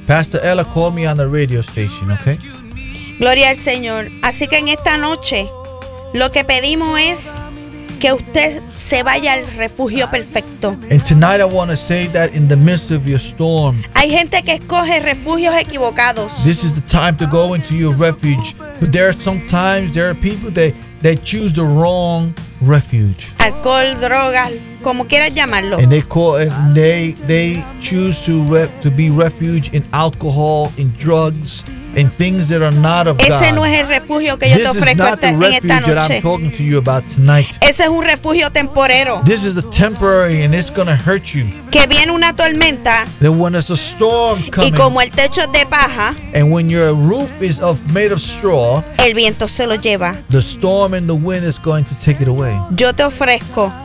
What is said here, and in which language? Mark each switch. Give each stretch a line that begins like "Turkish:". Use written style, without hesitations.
English: Pastor Ella called me on the radio station, okay?
Spanish: Gloria al Señor. Así que en esta noche, lo que pedimos es que usted se vaya al refugio perfecto.
English: And tonight I want to say that in the midst of your storm.
Spanish: Hay gente que escoge refugios equivocados.
English: This is the time to go into your refuge. But there are people that choose the wrong refuge.
Spanish: Alcohol, drogas, como quieras llamarlo.
English: And they choose to be refuge in alcohol, in drugs. And things that are not of God.
Spanish: Ese no es el refugio que yo te ofrezco en esta noche.
English: That I'm talking to you about tonight.
Spanish: Ese es un refugio temporero.
English: This is a temporary and it's going to hurt you.
Spanish: Que viene una tormenta.
English: That when it's a storm coming.
Spanish: Y como el techo es de paja.
English: And when your roof is made of straw.
Spanish: El viento se lo lleva.
English: The storm and the wind is going to take it away.
Spanish: Yo te ofrezco.